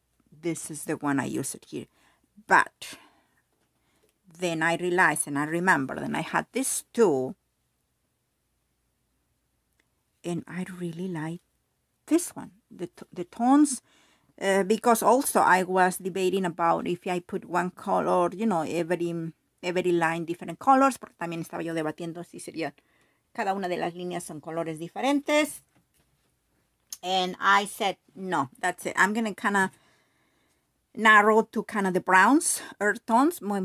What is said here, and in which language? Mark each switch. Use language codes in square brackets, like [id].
[en] This is the one I use it here. But then I realized and I remember that I had this too. And I really like this one. The tones. Because also I was debating about if I put one color, you know, every line different colors. [es] Pero también estaba yo debatiendo si sería cada una de las líneas son colores diferentes. [en] And I said, no, that's it. I'm going to kind of narrow to kind of the browns, earth tones.